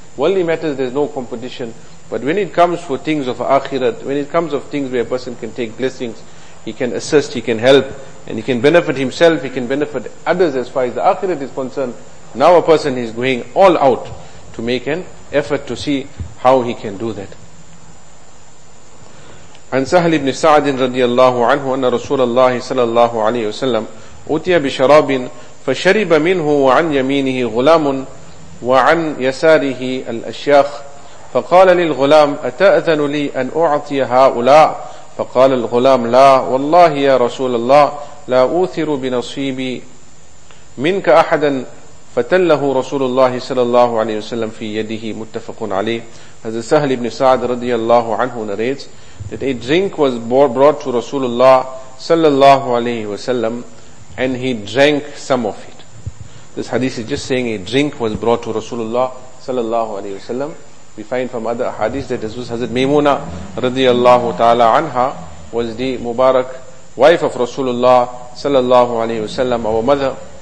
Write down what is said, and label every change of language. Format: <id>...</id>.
<en>Worldly matters, there's no competition. But when it comes for things of akhirat, when it comes of things where a person can take blessings, he can assist, he can help, and he can benefit himself, he can benefit others as far as the akhirat is concerned, now a person is going all out to make an effort to see how he can do that.</en> <ar>عن سهل بن سعد رضي الله عنه أن رسول الله صلى الله عليه وسلم أتي بشراب فشرب منه وعن يمينه غلام وعن يساره الأشياخ فقال للغلام أتأذن لي أن أعطي هؤلاء فقال الغلام لا والله يا رسول الله لا أوثر بنصيبي منك أحدا فتله رسول الله صلى الله عليه وسلم في يده متفق عليه. هذا سهل بن سعد رضي الله عنه</ar> <en>narrates that a drink was brought to Rasulullah sallallahu alayhi wasallam and he drank some of it. This hadith is just saying a drink was brought to Rasulullah sallallahu alayhi wasallam. We find from other hadith that this was Hazrat Maymuna radiyallahu ta'ala anha was the Mubarak wife of Rasulullah sallallahu alayhi wasallam, our mother.</en>